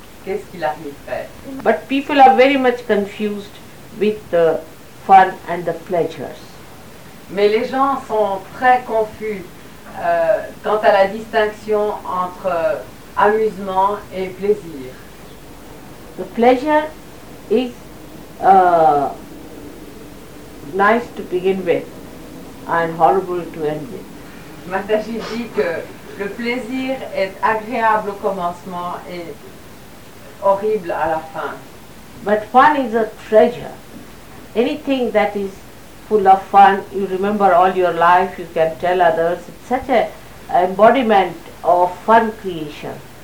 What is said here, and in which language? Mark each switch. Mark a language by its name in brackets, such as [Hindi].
[French] Qu'est-ce qu'il arriverait? [English] But people are very much confused with the fun and the pleasures. [French] Mais les gens sont très confus quant à la distinction entre amusement et plaisir. [English] The pleasure is nice to begin with and horrible to end with. [French] Mataji dit que le plaisir est agréable au commencement et horrible à la fin. [English] But fun is a treasure. Anything that is full of fun, you remember all your life, you can tell others, it's such an embodiment of fun creation.